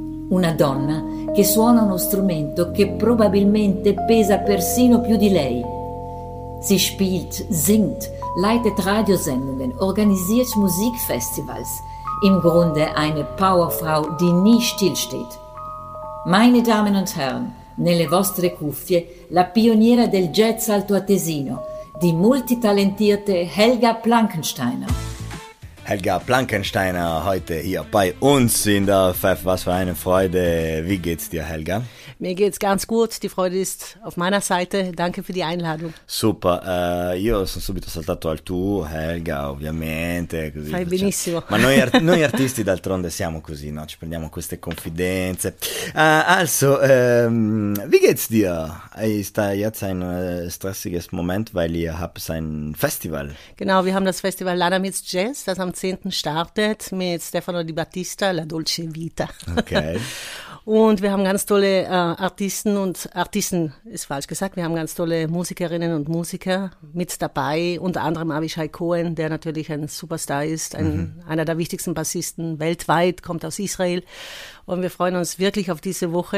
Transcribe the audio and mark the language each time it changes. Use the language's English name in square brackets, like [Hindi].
[Italian] Una donna che suona uno strumento che probabilmente pesa persino più di lei. [German] Sie spielt, singt, leitet Radiosendungen, organisiert Musikfestivals. Im Grunde eine Powerfrau, die nie stillsteht. Meine Damen und Herren, [Italian] nelle vostre cuffie, la pioniera del jazz altoatesino, [German] die multitalentierte [Italian] Helga Plankensteiner. [German] Helga Plankensteiner, heute hier bei uns in der Pfeff, was für eine Freude. Wie geht's dir, Helga? Mir geht's ganz gut, die Freude ist auf meiner Seite. Danke für die Einladung. [Italian] Super, io sono subito saltato al tu, Helga, ovviamente. Così. Fai benissimo. Ma noi artisti d'altronde siamo così, no? Ci prendiamo queste confidenze. [German] Wie geht's dir? Ist da jetzt ein stressiges Moment, weil ihr habt ein Festival? Genau, wir haben das Festival Lana mit Jazz, das am 10. startet, mit Stefano Di Battista, La Dolce Vita. Okay. Und wir haben ganz tolle Artisten und Artisten ist falsch gesagt, wir haben ganz tolle Musikerinnen und Musiker mit dabei, unter anderem Avishai Cohen, der natürlich ein Superstar ist, einer der wichtigsten Bassisten weltweit, kommt aus Israel und wir freuen uns wirklich auf diese Woche.